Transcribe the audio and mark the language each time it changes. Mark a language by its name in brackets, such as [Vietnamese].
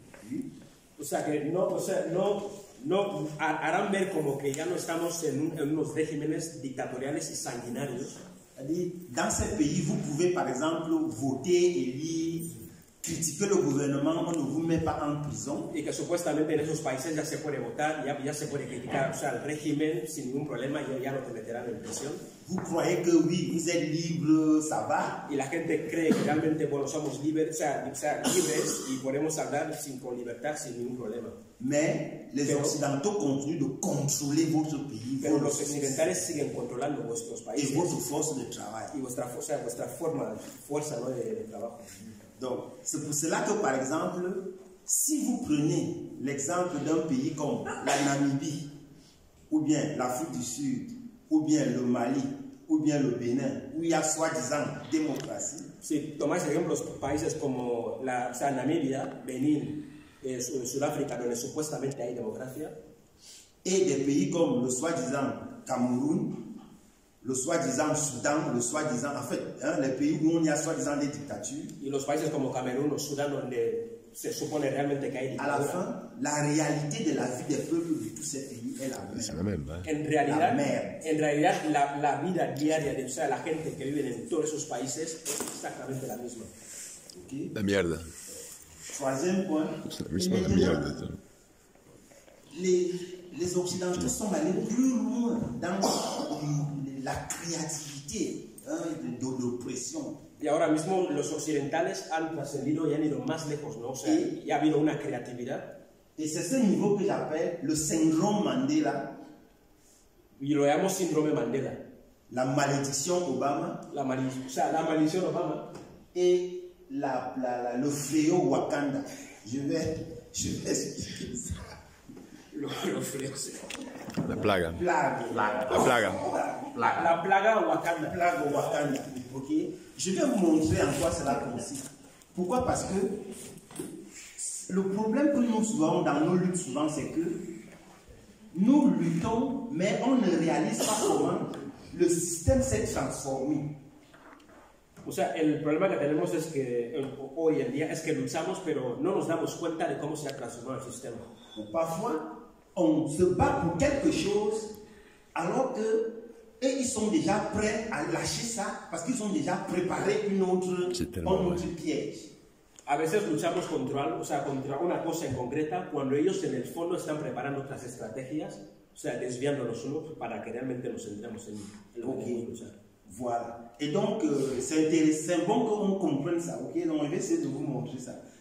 [French] Oui. [Spanish] O sea que no harán ver como que ya no estamos en unos regímenes dictatoriales y sanguinarios. [French] Dans ces pays, vous pouvez par exemple voter, élire, critiquer le gouvernement, on ne vous met pas en prison. [Spanish] Y que supuestamente en esos países ya se puede votar, ya se puede criticar, o sea, el régimen sin ningún problema ya no te meterán en prisión. [French] Vous croyez que oui, vous êtes libre, ça va. [Spanish] Y la gente cree que realmente, bueno, somos libres, o sea, libres y podemos hablar con libertad sin ningún problema. [French] Mais les occidentaux continuent de contrôler votre pays. [Spanish] Pero los occidentales siguen controlando vuestros países. Y vuestra fuerza de trabajo. Y vuestra, o sea, vuestra forma, fuerza, ¿no?, de trabajo. [French] Donc, c'est pour cela que, par exemple, si vous prenez l'exemple d'un pays comme la Namibie, ou bien l'Afrique du Sud, ou bien le Mali, ou bien le Bénin, où il y a soi-disant démocratie. [Spanish] Si tomáis ejemplos países como la, o sea, Namibia, Benin, Sudáfrica, donde supuestamente hay democracia. [French] Et des pays comme le soi-disant Cameroun, le soi-disant Soudan, le soi-disant, en fait, hein, les pays où il y a soi-disant des dictatures. [Spanish] Y los países como Camerún o Sudán donde se supone realmente que hay dictadura. [French] À la fin, la réalité de la vie des peuples de tous ces pays est la même. C'est la même, hein? [Spanish] En realidad, [French] la merde. [Spanish] En realidad, la vida diaria de, o sea, la gente que vive en todos esos países es exactamente la misma. Okay. La mierda. [French] Troisième point. C'est [Spanish] la misma la mierda. [French] Les occidentaux sont allés plus loin dans la créativité, hein, de l'oppression. [Spanish] Y ahora mismo los occidentales han trascendido y han ido más lejos, ¿no? O sea, y ha habido una creatividad. [French] Et c'est ce niveau que j'appelle le syndrome Mandela. [Spanish] Y lo llamo síndrome Mandela. La maldición Obama. La maldición Obama. [French] Et le fléau Wakanda. Je vais expliquer ça. [Spanish] La plaga. La plaga. La plaga Wakanda. Plaga Wakanda. Ok. [French] Je vais vous montrer en quoi cela consiste. Pourquoi? Parce que le problème que nous avons dans nos luttes souvent, c'est que nous luttons, mais on ne réalise pas comment le système s'est transformé. [Spanish] O sea, el problema que tenemos es que hoy en día es que luchamos, pero no nos damos cuenta de cómo se ha transformado el sistema. [French] O parfois, on se bat pour quelque chose, alors que eux, ils sont déjà prêts à lâcher ça, parce qu'ils ont déjà préparé un autre piège. [Spanish] A veces luchamos contra algo, o sea, contra una cosa en concreta, cuando ellos en el fondo están preparando otras estrategias, o sea, desviándonos uno para que realmente nos centremos en lo que queremos luchar. [French] Voilà. Et donc, c'est bon qu'on comprenne ça, ok? Donc, je vais essayer de vous montrer ça.